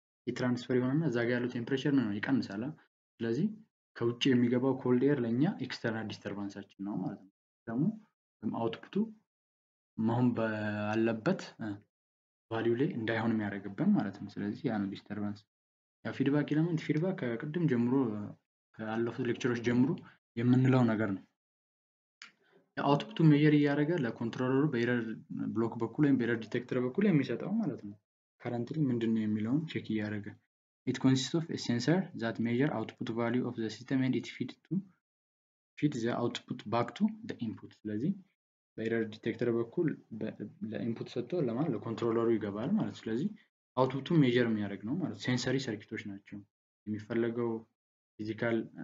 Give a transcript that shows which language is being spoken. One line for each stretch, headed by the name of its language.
Amharic: የትራንስፈር ይሆናልና እዛ ጋ ያለው temperature ነው ይቀንሳል ስለዚህ ከውጭ የሚገባው ኮልድ ኤር ለኛ ኤክስተርናል ዲስተርባንሳችን ነው ማለት ነው ደግሞ አውትፑቱ መሆን ባለበት ቫልዩ ላይ እንዳይሆን የሚያደርግብን ማለት ነው ስለዚህ ያ ነው ዲስተርባንስ ያ ፊድባክ ኤለመንት ፊድባክ ከቅድም ጀምሮ ካለፉት ሌክቸሮች ጀምሮ የምንለው ነገር ነው አውትፑቱ ሜየር ያረገ ለኮንትሮለሩ በኤረር ብሎክ በኩል ወይም በኤረር ዲቴክተር በኩል የሚሰጠው ማለት ነው። ካረንትሊ ምንድነው የሚለውን ቼክ ያረገ።
English: It consists of a sensor that measures output value of the system and it feeds the output back to the input.
Amharic: ስለዚህ በኤረር ዲቴክተር በኩል ለኢንፑት ሰጥቶ ለማን ለኮንትሮለሩ ይገባል ማለት። ስለዚህ አውትፑቱ ሜየር የሚያደርግ ነው ማለት። ሴንሰሪ ሰርኪቶች ናቸው የሚፈልገው ፊዚካል